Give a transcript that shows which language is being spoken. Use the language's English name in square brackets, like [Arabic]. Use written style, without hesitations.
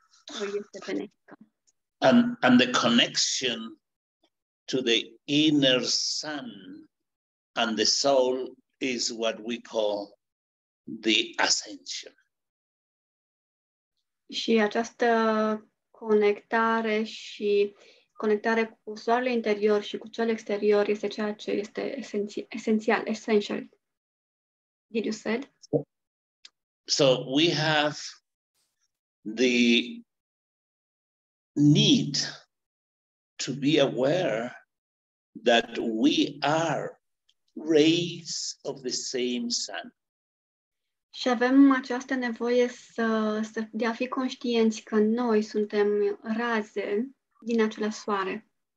[English] And the connection to the inner sun and the soul is what we call the ascension. [Romanian] Și această conectare și conectare cu soarele interior și cu cel exterior este ceea ce este esențial, essential. [English] Did you said? So we have the need to be aware that we are rays of the same sun. [Romanian] Și avem această nevoie de a fi conștienți că noi suntem raze din acela soare.